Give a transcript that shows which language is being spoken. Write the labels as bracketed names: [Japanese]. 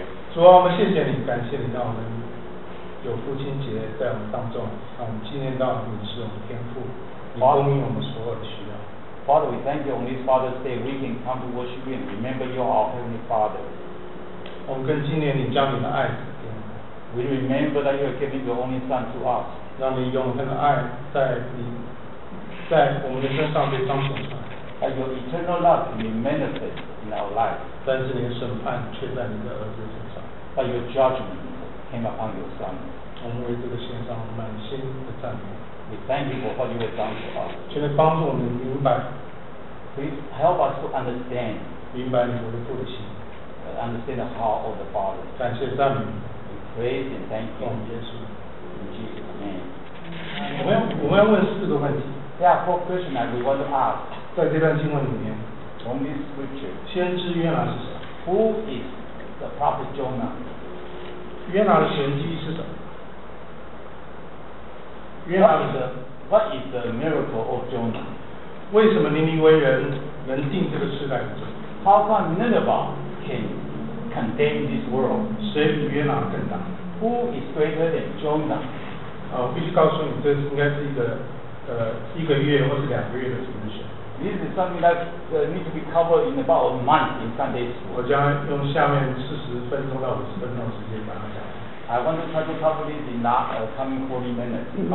[Chinese] 主啊，我们谢谢你，感谢你，让我们有父亲节在我们当中，让我们纪念到你是我们天父，你供应我们所有的需要。 [English] Father, we thank you on this Father's Day, we can come to worship you and remember you are our Heavenly Father. [Chinese] 我们更纪念你将你的爱给我们。 [English] We remember that you are giving your only Son to us. [Chinese] 让你永恒的爱在我们的身上被彰显出来。 [English] And your eternal love can be manifest in our life. [Chinese] 但是你的审判却在你的儿子身上。 [English] But your judgment came upon your son. [Chinese] 我们为这个献上满心的赞美。 [English] We thank you for what you have done for us. [Chinese] 求你帮助我们明白。 [English] Please help us to understand. [Chinese] 明白你的父的心。 [English] Understand the heart of the Father. [Chinese] 感谢赞美。 [English] We praise and thank you. [Chinese] 奉耶稣。 [English] In Jesus' name. [Chinese] 我们要问四个问题。 [English] There are four questions that we want to ask. [Chinese] 在这段经文里面 [English] ，From this scripture， [Chinese] 先知约拿是谁 [English] ？Who is the prophet Jonah？ [Chinese] 约拿的神迹是什么？约拿的 [English] What is the miracle of Jonah？ [Chinese] 为什么尼尼微人能定这个世代的罪 [English] ？How can Nineveh can condemn this world？ [Chinese] 谁比约拿更大 [English] ？Who is greater than Jonah？ [Chinese] 我必须告诉你，这应该是一个月或是两个月的神学。 [English] This is something that needs to be covered in about a month in Sunday school. [Chinese] 我将用下面40分钟到50分钟时间把它讲。 [English] I want to try to cover this in the coming 40 minutes.